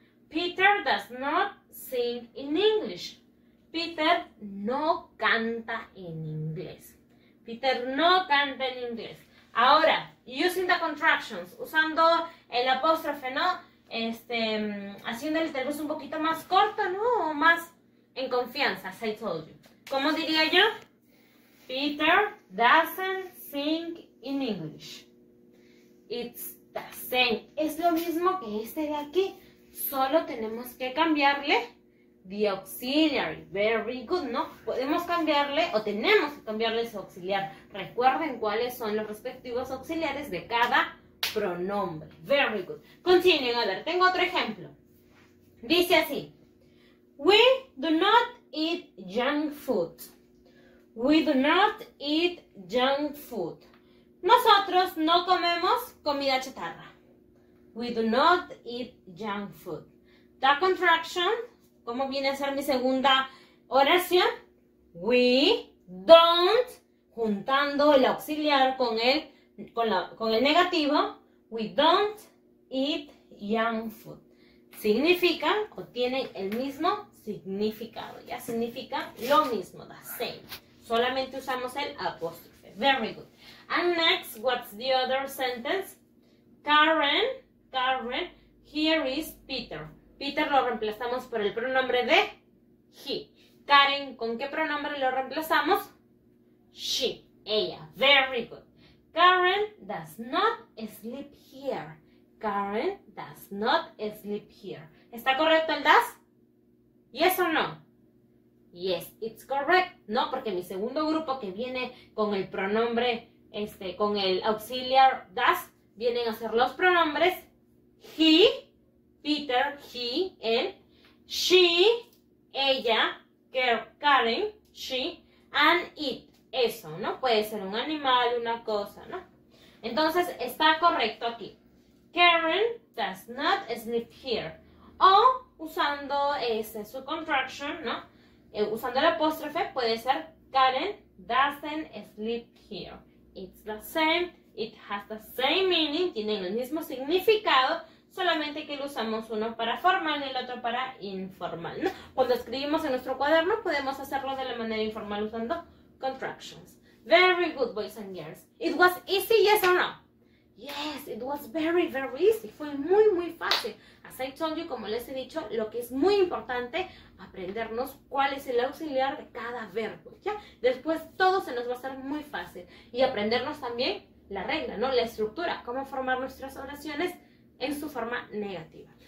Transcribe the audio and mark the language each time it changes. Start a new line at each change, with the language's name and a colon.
English: Peter does not sing in English.
Spanish: Peter no canta en inglés. Peter no canta en inglés. Ahora,
English: using the contractions,
Spanish: usando el apóstrofe, ¿no? Haciendo el verbo un poquito más corto, ¿no? O más en confianza,
English: as I told you.
Spanish: ¿Cómo diría yo?
English: Peter doesn't sing in English. It's the same.
Spanish: Es lo mismo que este de aquí. Solo tenemos que cambiarle the auxiliary.
English: Very good,
Spanish: ¿no? Podemos cambiarle o tenemos que cambiarle su auxiliar. Recuerden cuáles son los respectivos auxiliares de cada pronombre.
English: Very good.
Spanish: Continúen, a ver, tengo otro ejemplo. Dice así.
English: We do not eat junk food. We do not eat junk food.
Spanish: Nosotros no comemos comida chatarra.
English: We do not eat junk food. The contraction,
Spanish: ¿cómo viene a ser mi segunda oración?
English: We don't,
Spanish: juntando el auxiliar con el negativo,
English: we don't eat junk food.
Spanish: Significa, o tiene el mismo significado, ya significa lo mismo,
English: the same.
Spanish: Solamente usamos el apóstrofe.
English: Very good. And next, what's the other sentence? Karen, here is Peter.
Spanish: Peter lo reemplazamos por el pronombre de he. Karen, ¿con qué pronombre lo reemplazamos?
English: She, ella. Very good. Karen does not sleep here. Karen does not sleep here.
Spanish: ¿Está correcto el does?
English: ¿Yes or no? Yes, it's correct.
Spanish: No, porque mi segundo grupo que viene con el pronombre, con el auxiliar does, vienen a ser los pronombres he, Peter, he, él, she, ella, Karen, she, and it, eso, ¿no? Puede ser un animal, una cosa, ¿no? Entonces, está correcto aquí.
English: Karen does not sleep here.
Spanish: O, usando su contraction, ¿no? Usando el apóstrofe, puede ser Karen
English: doesn't sleep here. It's the same, it has the same meaning,
Spanish: tienen el mismo significado, solamente que lo usamos uno para formal y el otro para informal, ¿no? Cuando escribimos en nuestro cuaderno, podemos hacerlo de la manera informal usando contractions.
English: Very good, boys and girls. It was easy, yes or no? Yes, it was very, very easy.
Spanish: Fue muy, muy fácil.
English: As I told you,
Spanish: como les he dicho, lo que es muy importante, aprendernos cuál es el auxiliar de cada verbo, ¿ya? Después todo se nos va a hacer muy fácil. Y aprendernos también la regla, ¿no? La estructura, cómo formar nuestras oraciones en su forma negativa.